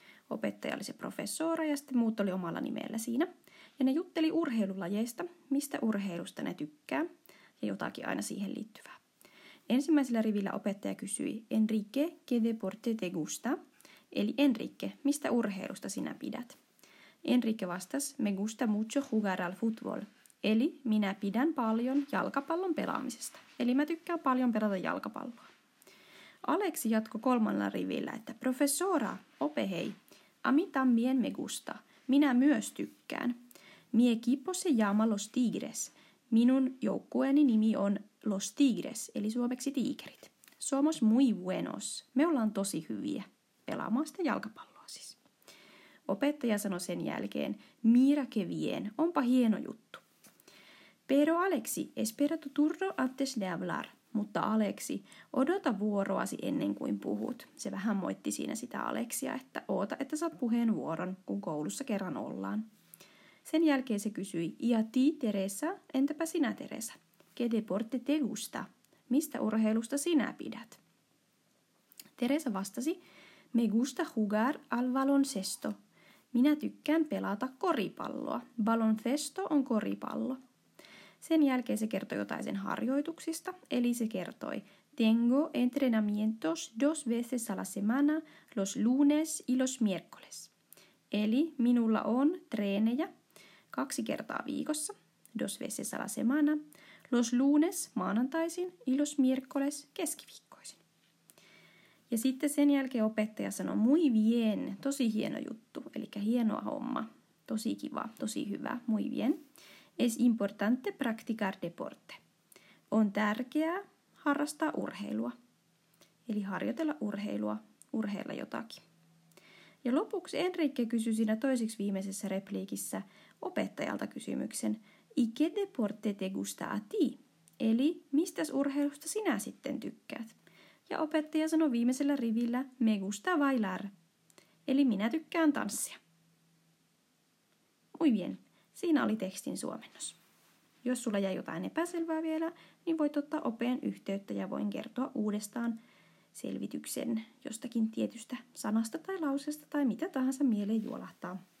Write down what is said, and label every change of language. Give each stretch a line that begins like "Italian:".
Finnish: Opettaja oli se professora ja sitten muut oli omalla nimellä siinä. Ja ne jutteli urheilulajeista, mistä urheilusta ne tykkää, ja jotakin aina siihen liittyvää. Ensimmäisellä rivillä opettaja kysyi, Enrique,
Spanish: ¿qué deporte te gusta?
Finnish: Eli Enrique, mistä urheilusta sinä pidät?
Spanish: Enrique
Finnish: vastasi,
Spanish: me gusta mucho jugar al fútbol.
Finnish: Eli minä pidän paljon jalkapallon pelaamisesta. Eli mä tykkään paljon pelata jalkapalloa. Aleksi jatkoi kolmannella rivillä, että professora, ope hei,
Spanish: a mí también me gusta.
Finnish: Minä myös tykkään.
Spanish: Mi equipo se llama Los Tigres.
Finnish: Minun joukkueeni nimi on Los Tigres, eli suomeksi tiikerit.
Spanish: Somos muy buenos.
Finnish: Me ollaan tosi hyviä. Pelaamaan sitä jalkapalloa siis. Opettaja sanoi sen jälkeen,
Spanish: mira que bien,
Finnish: onpa hieno juttu.
Spanish: Pero Aleksi, espera tu turno antes de hablar.
Finnish: Mutta Aleksi, odota vuoroasi ennen kuin puhut. Se vähän moitti siinä sitä Aleksia, että oota, että saat puheen vuoron, kun koulussa kerran ollaan. Sen jälkeen se kysyi, ja ti, Teresa, entäpä sinä, Teresa?
Spanish: ¿Qué deporte te gusta?
Finnish: Mistä urheilusta sinä pidät?
Spanish: Teresa
Finnish: vastasi,
Spanish: me gusta jugar al baloncesto.
Finnish: Minä tykkään pelata koripalloa. Baloncesto on koripallo. Sen jälkeen se kertoi jotain sen harjoituksista, eli se kertoi,
Spanish: tengo entrenamientos dos veces a la semana, los lunes y los miércoles.
Finnish: Eli minulla on treenejä kaksi kertaa viikossa,
Spanish: dos veces a la semana, los lunes
Finnish: maanantaisin
Spanish: y los miércoles
Finnish: keskiviikkoisin. Ja sitten sen jälkeen opettaja sanoi,
Spanish: muy bien,
Finnish: tosi hieno juttu, eli hienoa homma, tosi kiva, tosi hyvä, muy bien.
Spanish: Es importante practicar deporte.
Finnish: On tärkeää harrastaa urheilua. Eli harjoitella urheilua, urheilla jotakin. Ja lopuksi Enrique kysyi siinä toiseksi viimeisessä repliikissä opettajalta kysymyksen.
Spanish: ¿Y qué deporte te gusta a ti?
Finnish: Eli mistäs urheilusta sinä sitten tykkäät? Ja opettaja sanoi viimeisellä rivillä
Spanish: me gusta bailar.
Finnish: Eli minä tykkään tanssia.
Spanish: Muy bien.
Finnish: Siinä oli tekstin suomennos. Jos sulla jäi jotain epäselvää vielä, niin voit ottaa opeen yhteyttä ja voin kertoa uudestaan selvityksen jostakin tietystä sanasta tai lauseesta tai mitä tahansa mieleen juolahtaa.